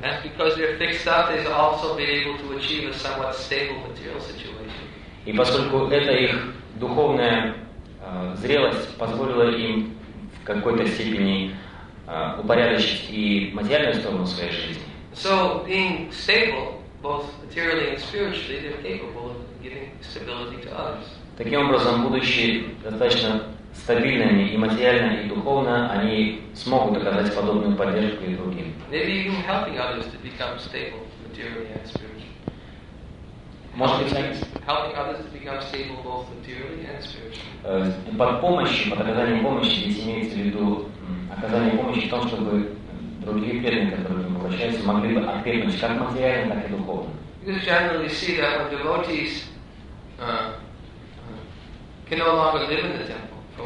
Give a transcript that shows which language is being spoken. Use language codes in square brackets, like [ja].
[en] And because they're fixed up, they've also been able to achieve a somewhat stable material situation. [ru] И поскольку это их духовная зрелость позволила им в какой-то степени упорядочить и материальную сторону своей жизни. [en] So being stable, both materially and spiritually, they're capable of giving stability to others. [ru] Таким образом, будучи достаточно стабильными и материально, и духовно, они смогут оказать подобную поддержку и другим. [en] Maybe even helping others to become stable materially and spiritually. Helping others to become stable both materially and spiritually. [ru] Под помощью, под оказанием помощи, здесь имеется в виду оказание помощи в том, чтобы другие преданные, которые к ним обращаются, могли бы окрепнуть как материально, так и духовно. [en] Because generally we see that when devotees can no longer live in the temple.